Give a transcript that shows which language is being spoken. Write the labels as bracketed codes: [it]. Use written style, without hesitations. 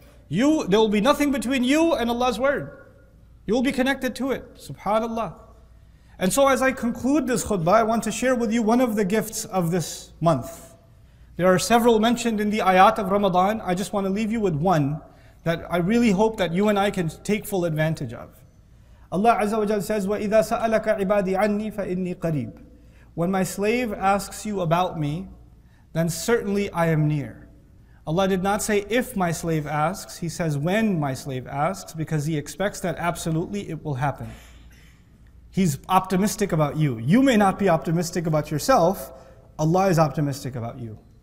[en] There will be nothing between you and Allah's word. You will be connected to it, subhanAllah. And so as I conclude this khutbah, I want to share with you one of the gifts of this month. There are several mentioned in the ayat of Ramadan. I just want to leave you with one that I really hope that you and I can take full advantage of. [ar] Allah Azza wa Jal says, وَإِذَا سَأَلَكَ عِبَادِي عَنِّي فَإِنِّي قَرِيبٌ. [en] When my slave asks you about me, then certainly I am near. Allah did not say, if my slave asks, He says, when my slave asks, because He expects that absolutely it will happen. He's optimistic about you. You may not be optimistic about yourself, Allah is optimistic about you.